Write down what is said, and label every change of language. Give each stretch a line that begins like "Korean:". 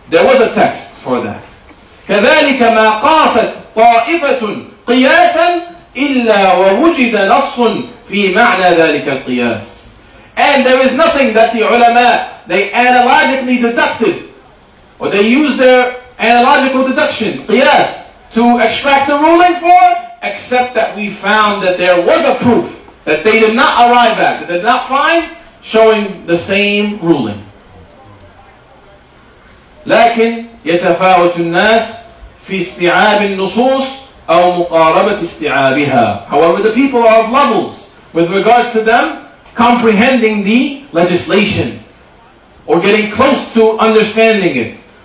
English: There was a text for that.
Arabic: كَذَلِكَ مَا قَاسَتْ طَائِفَةٌ قِيَاسًا إِلَّا وَوُجِدَ نَصٌ فِي مَعْنَى ذَلِكَ الْقِيَاسِ
English: And there is nothing that the ulama, they analogically deducted, or they used their analogical deduction, qiyas, to extract the ruling for, except that we found that there was a proof that they did not arrive at, they did not find, showing the same ruling.
Arabic: لكن يتفاوت الناس في استيعاب النصوص أو مقاربة استيعابها.
English: However, the people are of levels with regards to them, comprehending the legislation or getting close to understanding it.